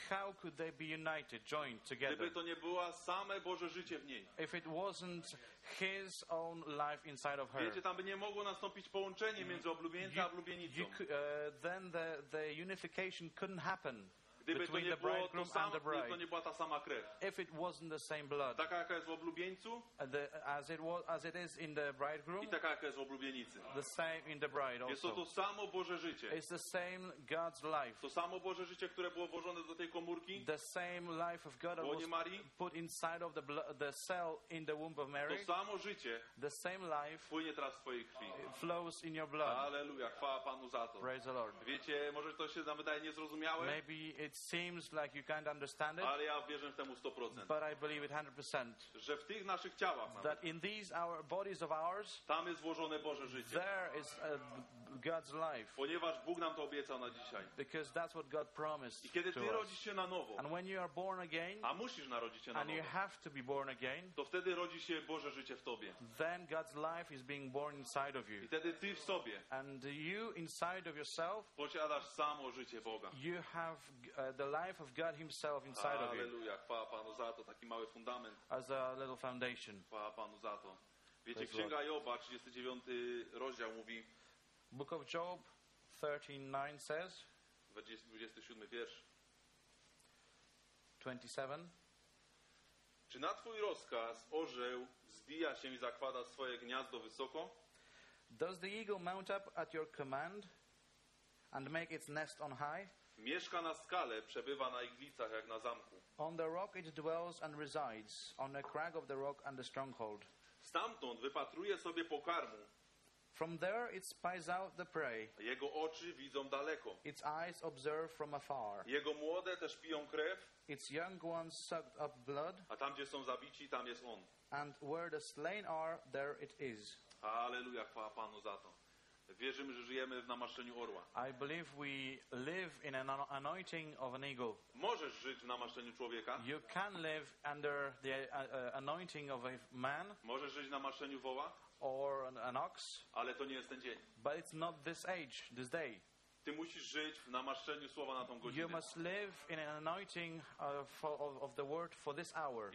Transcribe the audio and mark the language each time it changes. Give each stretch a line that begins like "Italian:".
English: How could they be united, joined together?
Polish: Gdyby to nie było same Boże życie w niej.
English: If it wasn't his own life inside of her.
Polish: Wiecie, tam by nie mogło nastąpić połączenie między oblubieńcem a oblubienicą.
English: Then the unification couldn't happen.
Polish: Gdyby
English: between
Polish: to nie
English: the bridegroom
Polish: sama,
English: and the bride.
Polish: To nie była ta sama krew.
English: If it wasn't the same blood.
Polish: Taka jaka jest w oblubieńcu.
English: As it is in the bridegroom.
Polish: I taka jaka jest w oblubienicy.
English: The same in the bride also.
Polish: Jest to samo Boże życie.
English: It's the same God's life.
Polish: To samo Boże życie, które było włożone do tej komórki.
English: The same life of God was put inside of the cell in the womb of Mary.
Polish: To samo życie.
English: The same life.
Polish: Płynie teraz w twojej krwi.
English: Flows in your blood.
Polish: Hallelujah. Chwała Panu za to.
English: Praise the Lord.
Polish: Wiecie, może to się nam wydaje niezrozumiałe.
English: Maybe it seems like you can't understand it.
Polish: Ale ja wierzę w temu 100%.
English: But I believe it 100%.
Polish: Że w tych naszych ciałach.
English: That in these our bodies of ours.
Polish: Tam jest włożone Boże życie.
English: There is God's life.
Polish: Ponieważ Bóg nam to obiecał na dzisiaj.
English: Because that's what God promised.
Polish: I kiedy ty to rodzisz się na nowo.
English: And when you are born again.
Polish: A musisz narodzić się na
English: and
Polish: nowo.
English: You have to be born again.
Polish: To wtedy rodzi się Boże życie w tobie.
English: Then God's life is being born inside of you.
Polish: I wtedy ty w sobie.
English: And you inside of yourself.
Polish: Posiadasz samo życie Boga.
English: You have the life of God himself inside
Polish: Alleluja.
English: Of you.
Polish: Hallelujah. Chwała Panu za to. Taki mały fundament.
English: As a little foundation.
Polish: Chwała Panu za to. Wiecie, praise Księga Lord. Joba, 39 rozdział mówi.
English: Book of Job 13:9 says.
Polish: 27 wiersz. 27. Czy na twój rozkaz orzeł wzbija się i zakłada swoje gniazdo wysoko?
English: Does the eagle mount up at your command and make its nest on high?
Polish: Mieszka na skale, przebywa na iglicach jak na zamku.
English: On the rock it dwells and resides, on the crag of the rock and the stronghold.
Polish: Stamtąd wypatruje sobie pokarmu.
English: From there it spies out the prey.
Polish: Jego oczy widzą daleko.
English: Its eyes observe from afar.
Polish: Jego młode też piją krew.
English: Its young ones suck up blood.
Polish: A tam gdzie są zabici, tam jest on.
English: And where the slain are, there it is.
Polish: Alleluja, chwała Panu za to. Wierzymy, że żyjemy w namaszczeniu orła.
English: I believe we live in an anointing of an eagle.
Polish: Możesz żyć w namaszczeniu człowieka.
English: You can live under the anointing of a man.
Polish: Możesz żyć w namaszczeniu woła.
English: Or an ox.
Polish: Ale to nie jest ten dzień.
English: But it's not this age, this day.
Polish: Ty musisz żyć w namaszczeniu słowa na tą godzinę.
English: You must live in an anointing of the word for this hour.